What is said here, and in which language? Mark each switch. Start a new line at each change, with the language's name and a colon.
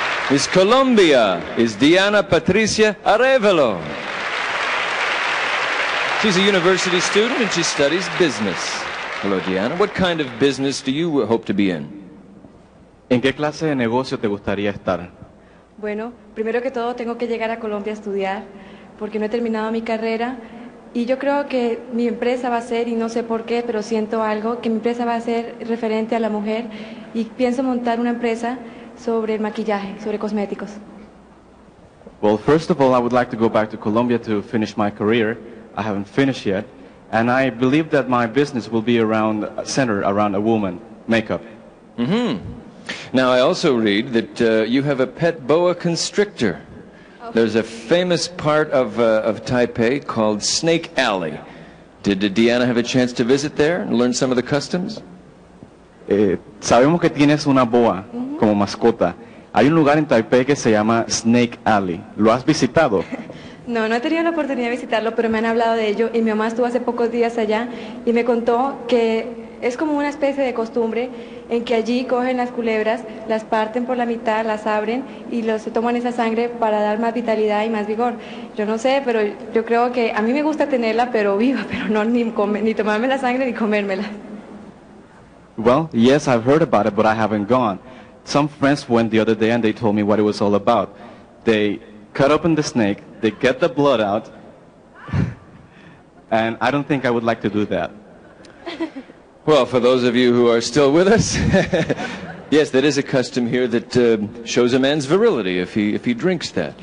English: Miss Colombia is Diana Patricia Arevalo. She's a university student and she studies business. Hello, Diana. What kind of business do you hope to be in?
Spanish: ¿En qué clase de negocio te gustaría estar? Bueno, primero que todo tengo que llegar a Colombia a estudiar porque no he terminado mi carrera. Y yo creo que mi empresa va a ser, y no sé por qué, pero siento algo, que mi empresa va a ser referente a la mujer y pienso montar una empresa sobre el maquillaje, sobre cosméticos.
English: Well, first of all, I would like to go back to Colombia to finish my career. I haven't finished yet. And I believe that my business will be around centered around a woman, makeup. Mm-hmm. Now, I also read that you have a pet boa constrictor. There's a famous part of Taipei called Snake Alley. Did Diana have a chance to visit there and learn some of the customs?
Spanish: Sabemos que tienes una boa como mascota. Hay un lugar en Taipei que se llama Snake Alley. ¿Lo has visitado? No, no he tenido la oportunidad de visitarlo, pero me han hablado de ello. Y mi mamá estuvo hace pocos días allá y me contó que es como una especie de costumbre en que allí cogen las culebras, las parten por la mitad, las abren y se toman esa sangre para dar más vitalidad y más vigor. Yo no sé, pero yo creo que a mí me gusta tenerla, pero viva, pero no ni tomarme la sangre ni comérmela.
English: Well, yes, I've heard about it, but I haven't gone. Some friends went the other day and they told me what it was all about. They cut open the snake, they get the blood out, and I don't think I would like to do that. Well, for those of you who are still with us, yes, that is a custom here that shows a man's virility if he drinks that.